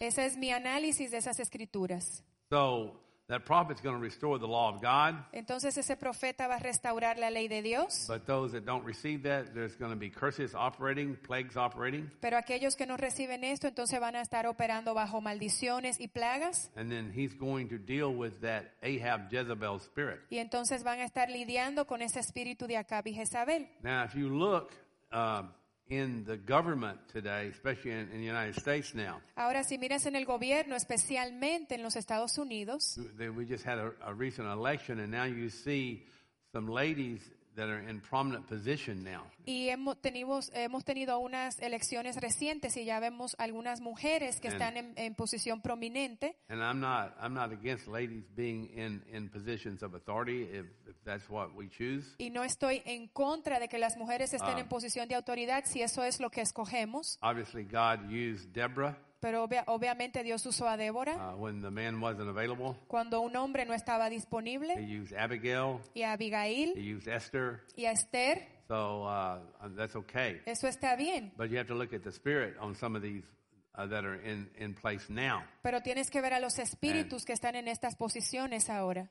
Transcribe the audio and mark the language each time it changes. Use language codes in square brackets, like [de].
[es] Ese es mi análisis de esas escrituras. [en] So that prophet's going to restore the law of God. [es] Entonces ese profeta va a restaurar la ley de Dios. [en] But those that don't receive that, there's going to be curses operating, plagues operating. [es] Pero aquellos que no reciben esto, entonces van a estar operando bajo maldiciones y plagas. [en] And then he's going to deal with that Ahab Jezebel spirit. [es] Y entonces van a estar lidiando con ese espíritu de Acab y Jezabel. [en] Now, if you look in the government today, especially in the United States now. [es] Ahora, si miras en el gobierno, especialmente en los Estados Unidos. [en] We just had a recent election, and now you see some ladies that are in prominent position now. [es] Y hemos tenido unas elecciones recientes, y ya vemos algunas mujeres que están en posición prominente. [en] And I'm not against ladies being in positions of authority if that's what we choose. [es] Y no estoy en contra de que las mujeres estén en posición de autoridad si eso es lo que escogemos. [en] Obviously, God used Deborah. [es] Pero obviamente Dios usó a Débora. [en] When the man wasn't available. [es] Cuando un hombre no estaba disponible. [en] He used Abigail. [es] Y a Abigail. [en] He used Esther. [es] Y a Esther. [en] So that's okay. [es] Eso está bien. [en] But you have to look at the spirit on some of these that are in place now. [es] Pero tienes que ver a los espíritus que están en estas posiciones ahora.